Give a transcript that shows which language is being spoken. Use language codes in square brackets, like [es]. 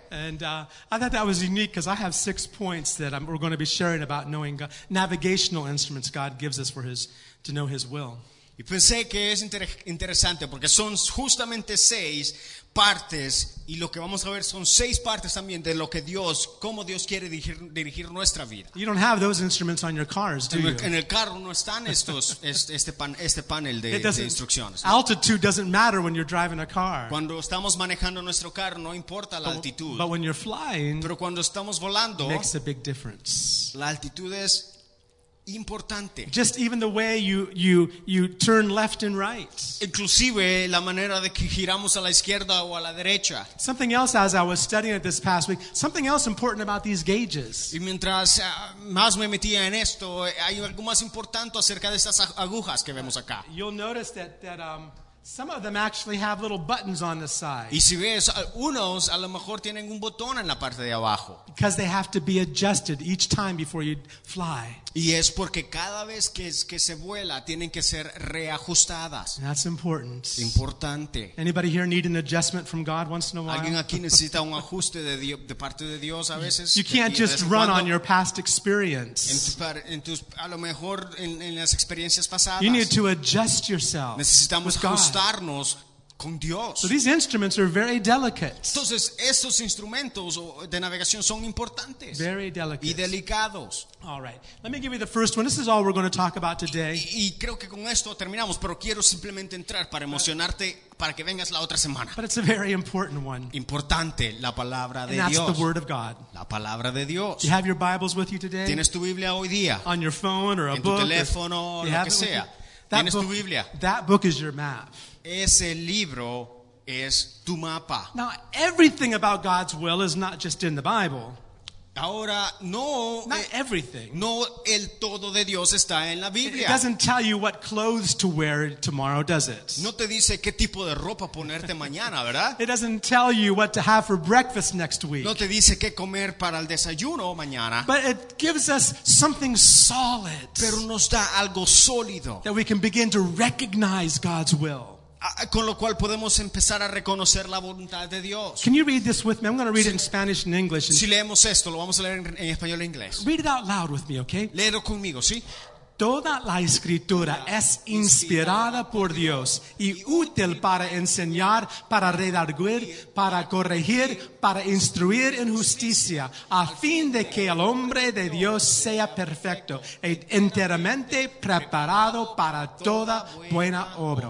[en] And I thought that was unique because I have 6 points that we're going to be sharing about knowing God, navigational instruments God gives us for to know His will. [es] Y pensé que es interesante porque son justamente seis partes y lo que vamos a ver son seis partes también de lo que Dios, cómo Dios quiere dirigir nuestra vida. [en] You don't have those instruments on your cars, do you? [es] En el carro no están estos este panel de instrucciones. [en] Altitude doesn't matter when you're driving a car. [es] Cuando estamos manejando nuestro carro no importa la altitud. [en] But when you're flying, [es] pero cuando estamos volando, [en] makes a big difference. [es] La altitud es importante. [en] Just even the way you turn left and right. [es] Inclusive la manera de que giramos a la izquierda o a la derecha. [en] Something else as I was studying it this past week. Something else important about these gauges. [es] Y mientras más me metía en esto, hay algo más importante acerca de estas agujas que vemos acá. [en] You'll notice that some of them actually have little buttons on the side. [es] Y si ves, unos a lo mejor tienen un botón en la parte de abajo. [en] Because they have to be adjusted each time before you fly. [es] Y es porque cada vez que se vuela tienen que ser reajustadas. [en] That's important. [es] Importante. [en] Anybody here need an adjustment from God once in a while? [es] ¿Alguien aquí necesita un ajuste de parte de Dios a veces? [en] You can't just run on your past experience. [es] A lo mejor en las experiencias pasadas. [en] You need to adjust yourself. [es] Necesitamos [en] with God. [es] Ajustarnos con Dios. [en] So these instruments are very delicate. [es] Entonces, estos instrumentos de navegación son importantes. [en] Very delicate. [es] Y delicados. [en] All right. Let me give you the first one. This is all we're going to talk about today. [es] Y creo que con esto terminamos, pero quiero simplemente entrar para emocionarte para que vengas la otra semana. [en] But it's a very important one. [es] Importante, la palabra de Dios. [en] And that's the word of God. [es] La palabra de Dios. [en] Do you have your Bibles with you today? [es] ¿Tienes tu Biblia hoy día? [en] On your phone or a book. [es] En tu teléfono, lo que sea. ¿Tienes tu Biblia? [en] That book is your map. [es] Ese libro es tu mapa. [en] Now, everything about God's will is not just in the Bible. [es] Ahora, no, [en] not everything. [es] No, el todo de Dios está en la Biblia. [en] It doesn't tell you what clothes to wear tomorrow, does it? [es] No te dice qué tipo de ropa ponerte mañana, ¿verdad? [en] It doesn't tell you what to have for breakfast next week. [es] No te dice qué comer para el desayuno mañana. [en] But it gives us something solid. [es] Pero nos da algo sólido. [en] That we can begin to recognize God's will. [es] Con lo cual podemos empezar a reconocer la voluntad de Dios. [en] Can you read this with me? I'm going to read it in Spanish and English. [es] Si leemos esto, lo vamos a leer en español e inglés. [en] Read it out loud with me, okay? [es] Léelo conmigo, ¿sí? Toda la escritura es inspirada por Dios y útil para enseñar, para redarguir, para corregir, para instruir en justicia, a fin de que el hombre de Dios sea perfecto e enteramente preparado para toda buena obra.